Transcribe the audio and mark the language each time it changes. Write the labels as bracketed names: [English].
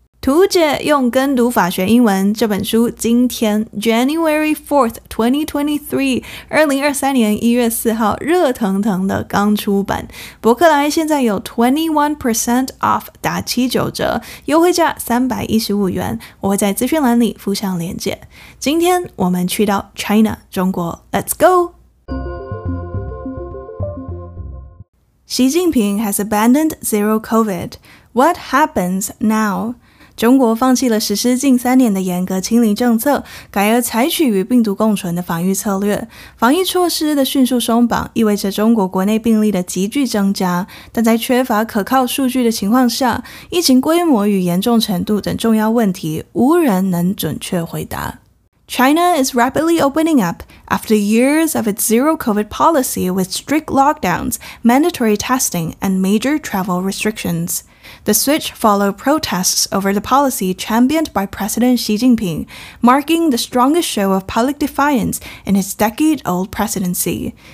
[Chinese] 图解用跟读法学英文这本书今天 [English] January 4th, 2023 [Chinese] 2023年1月4号热腾腾的刚出版，博客来现在有 [English] 21% off [Chinese] 打79折，优惠价315元，我会在资讯栏里附上连结。今天我们去到 China 中国， [English] Let's go！习近平 has abandoned zero COVID. What happens now? [Chinese] 中国放弃了实施近三年的严格清零政策，改而采取与病毒共存的防御策略。防疫措施的迅速松绑意味着中国国内病例的急剧增加，但在缺乏可靠数据的情况下，疫情规模与严重程度等重要问题无人能准确回答。 [English] China is rapidly opening up after years of its zero COVID policy with strict lockdowns, mandatory testing, and major travel restrictions. The switch followed protests over the policy championed by President Xi Jinping, marking the strongest show of public defiance in his decade-old presidency.